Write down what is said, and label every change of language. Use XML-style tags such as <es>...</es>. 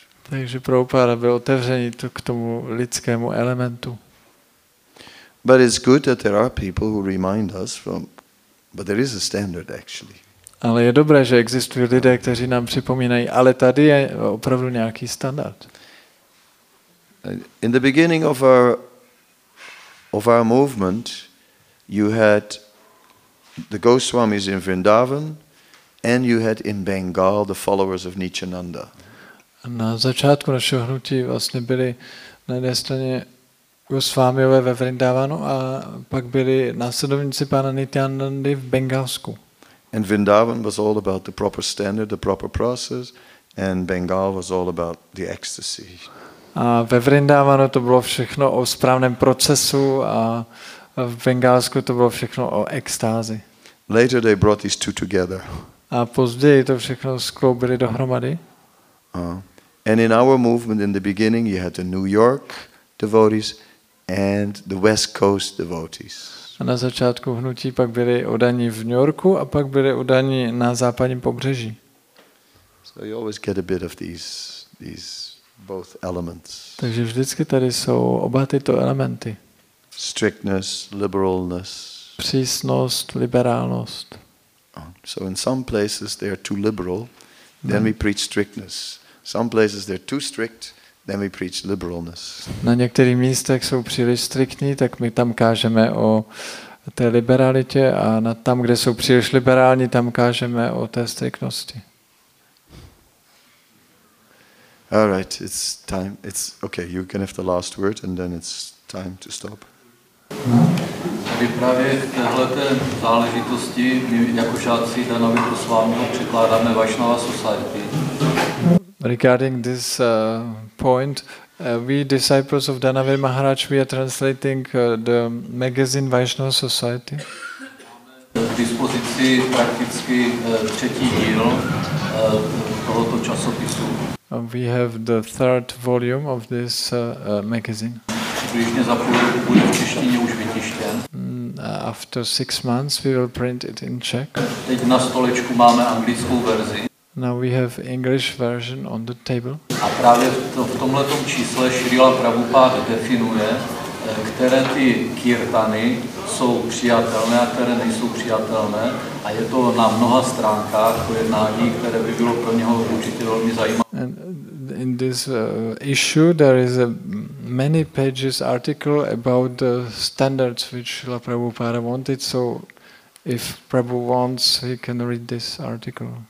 <cs>Takže Prabhupada byl otevřený k tomu lidskému elementu.</cs> <en>But it's good that there are people who remind us from, but there is a standard actually.</en> <cs>Ale je dobré, že existují lidé, kteří nám připomínají, ale tady je opravdu nějaký standard.</cs> <en>In the beginning of our movement, you had the Goswamis in Vrindavan. And you had in Bengal the followers of Nityananda.</en> <cs>Na začátku našeho hnutí vlastně byli na jedné straně Gosvámiové ve Vrindavanu a pak byli následovníci pána Nityanandy v Bengalsku.</cs> <en>And Vrindavan was all about the proper standard, the proper process, and Bengal was all about the ecstasy.</en> <cs>A ve Vrindavanu to bylo všechno o správném procesu a v Bengalsku to bylo všechno o extázi.</cs> <en>Later they brought these two together.</en> <cs>A později to všechno skloubili dohromady.</cs> <en>And in our movement in the beginning you had the New York devotees and the West Coast devotees.</en> <cs>A na začátku hnutí pak byli udaní v New Yorku a pak byli udaní na západním pobřeží.</cs> <en>So you always get a bit of these both elements.</en> <cs>Takže vždycky tady jsou oba tyto elementy.</cs> <en>Strictness, liberalness.</en> <cs>Přísnost, liberálnost.</cs> <en>So in some places they are too liberal, then we preach strictness. Some places they're too strict, then we preach liberalness.</en> <cs>Na některých místech jsou příliš striktní, tak my tam kážeme o té liberalitě a na tam, kde jsou příliš liberální, tam kážeme o té striktnosti.</cs> <en>All right, it's time. It's okay. You can have the last word and then it's time to stop.</en> <cs>Aby právě v téhleté záležitosti my jako žáci Danovi Gosvámiho překládáme Vaishnava Society.</cs> <en>Regarding this point, we disciples of Dhanavir Maharaj, we are translating the magazine Vaishnava Society.</en> <cs>K dispozici prakticky třetí díl tohoto časopisu.</cs> <en>We have the third volume of this magazine.</en> <cs>Přibližně za půl roku bude v češtině už vytištěn.</cs> <en>After 6 months, we will print it in Czech.</en> <cs>Teď na stolečku máme anglickou verzi.</cs> <en>Now we have English version on the table.</en> <cs>A právě v tomhletom čísle Srila Prabhupada definuje, které ty kirtany jsou přijatelné a které nejsou přijatelné. A je to na mnoha stránkách pojednání, které by bylo pro něho určitě velmi zajímavé.</cs> <en>And in this issue, there is a many pages article about the standards which Srila Prabhupada wanted. So if Prabhu wants, he can read this article.</en>